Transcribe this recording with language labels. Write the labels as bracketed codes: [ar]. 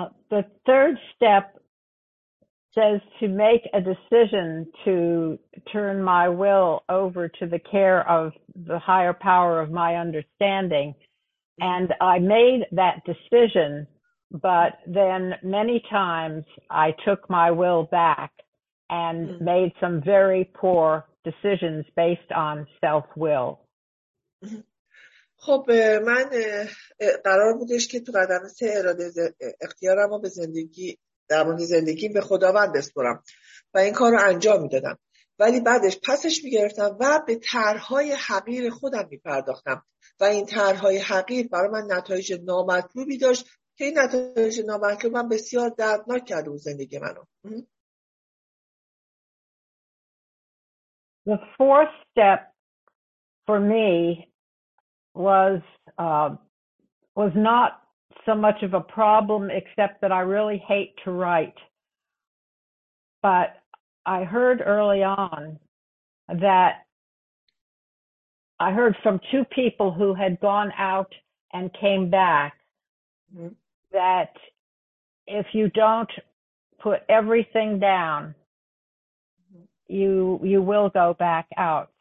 [en] The third step says to make a decision to turn my will over to the care of the higher power of my understanding. And I made that decision, but then many times I took my will back and made some very poor decisions based on self-will. [fa] خب من قرار بودش که تو قدم سه اراده اختیارم رو به زندگی در مورد زندگی به خداوند بسپرم و این کار رو انجام میدادم، ولی بعدش پسش میگرفتم و به طرح‌های حقیر خودم میپرداختم و این طرح‌های حقیر برای من نتایج نامطلوبی داشت که این نتایج نامطلوب من بسیار دردناک کرده بود زندگی منو. [en] The fourth step for me was not so much of a problem, except that I really hate to write. But I heard early on that I heard from two people who had gone out and came back that if you don't put everything down, you will go back out.